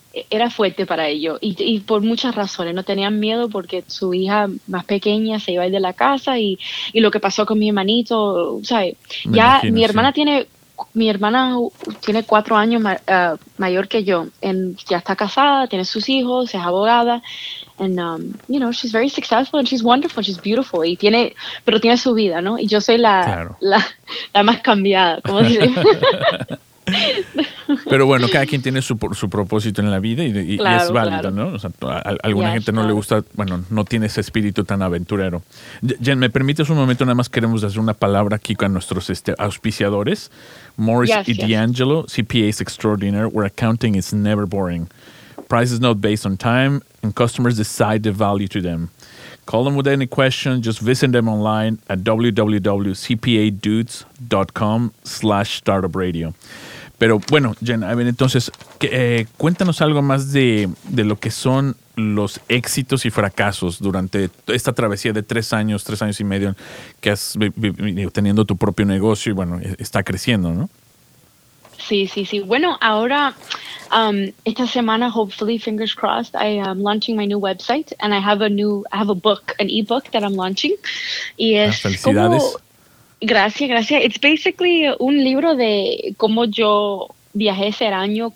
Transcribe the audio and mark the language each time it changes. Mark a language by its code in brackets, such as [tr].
[es] era fuerte para ellos y por muchas razones. No tenían miedo porque su hija más pequeña se iba a ir de la casa y lo que pasó con mi hermanito, ¿sabes? Mi hermana tiene 4 años mayor que yo. Ya está casada, tiene sus hijos, es abogada. [en] And, you know, she's very successful and she's wonderful, she's beautiful. [es] Pero tiene su vida, ¿no? Y yo soy la más cambiada, ¿cómo se dice? Pero bueno, cada quien tiene su propósito en la vida y, claro, y es válido, ¿No? O sea, alguna gente no le gusta, bueno, no tiene ese espíritu tan aventurero. Jen, ¿me permites un momento? Nada más queremos hacer una palabra aquí con nuestros auspiciadores. [en] Morris D'Angelo, CPA is extraordinary, where accounting is never boring. Price is not based on time, and customers decide the value to them. Call them with any question, just visit them online at www.cpadudes.com/startupradio. [es] Pero bueno, Jen, a ver, entonces, cuéntanos algo más de lo que son los éxitos y fracasos durante esta travesía de 3 años y medio que has venido teniendo tu propio negocio y bueno, está creciendo, ¿no? Sí, sí, sí. Bueno, ahora, esta semana, [en] hopefully, fingers crossed, I am launching my new website and I have an ebook that I'm launching. [es] Y es felicidades. Gracias, gracias. [en] It's basically [es] un libro de cómo yo viajé ese año.